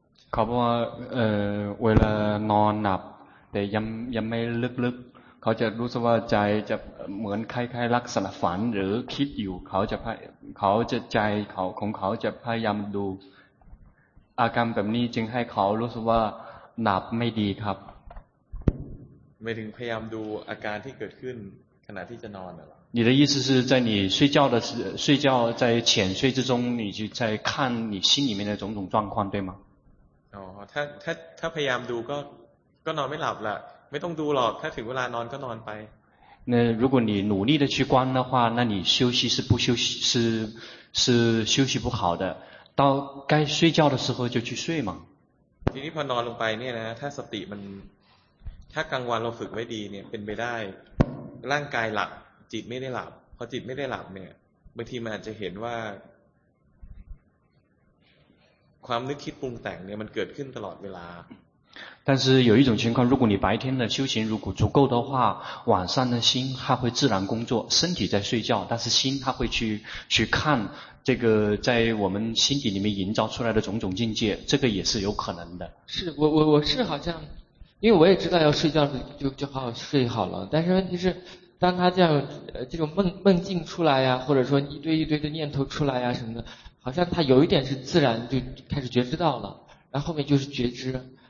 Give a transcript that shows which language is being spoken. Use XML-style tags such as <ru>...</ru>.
<zh>考不为了暖暖得要没乐乐</zh> <th>เขาจะรู้สึกว่าใจจะเหมือนคล้ายๆลักษณะฝันหรือคิดอยู่เขาจะใจเขาของเขาจะพยายามดูอาการแบบนี้จึงให้เขารู้สึกว่าหนับไม่ดีครับ ไม่ถึงพยายามดูอาการที่เกิดขึ้นขณะที่จะนอนหรอ</th> <zh>你的意思是在你睡觉的睡觉在浅睡之中你就在看你心里面的种种状况对吗</zh> <th>哦ถ้าพยายามดูก็นอนไม่หลับละไม่ต้องดูหรอกถ้าถึงเวลานอนก็นอนไป</th> <zh>那如果你努力的去观的话那你休息是不休息是休息不好的到该睡觉的时候就去睡嘛</zh> <th>ทีนี้พอนอนลงไปเนี่ยนะถ้าสติมันถ้ากลางวันเราฝึกไว้ดีเนี่ยเป็นไปได้ร่างกายหลับจิตไม่ได้หลับพอจิตไม่ได้หลับเนี่ย บางทีมันอาจจะเห็นว่าความนึกคิดปรุงแต่งเนี่ยมันเกิดขึ้นตลอดเวลา</th> <zh>但是有一种情况，如果你白天的修行如果足够的话，晚上的心它会自然工作，身体在睡觉，但是心它会去看这个在我们心底里面营造出来的种种境界，这个也是有可能的。是我是好像，因为我也知道要睡觉就好好睡好了，但是问题是，当他这样这种梦境出来呀，或者说一堆一堆的念头出来呀什么的，好像他有一点是自然就开始觉知到了，然后后面就是觉知。</zh>